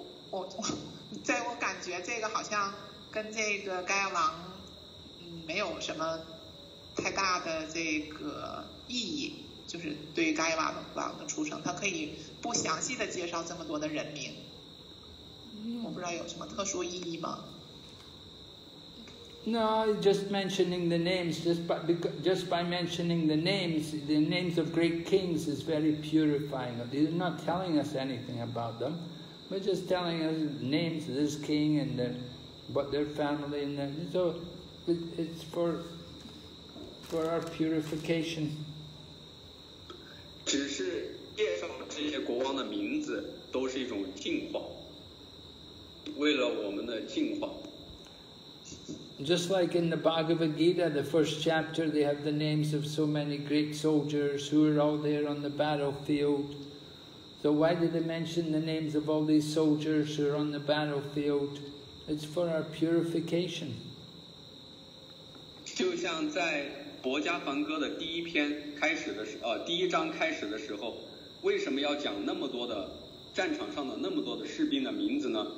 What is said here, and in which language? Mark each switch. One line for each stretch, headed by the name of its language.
Chinese: 我感觉这个好像跟这个伽耶王，没有什么太大的这个意义。就是对于伽耶王的出生，他可以不详细的介绍这么多的人名，我不知道有什么特殊意义吗？
English: No, just mentioning the names, just by mentioning the names of great kings is very purifying. They're not telling us anything about them, but just telling us names of this king and what their family and them. So it's for our purification.
Chinese: 只是介绍这些国王的名字都是一种净化，为了我们的净化。
English: Just like in the Bhagavad Gita, the first chapter, they have the names of so many great soldiers who are all there on the battlefield. So why did they mention the names of all these soldiers who are on the battlefield? It's for our purification.
Chinese: 就像在《博伽梵歌》的第一篇开始的时候，第一章开始的时候，为什么要讲那么多的战场上的那么多的士兵的名字呢？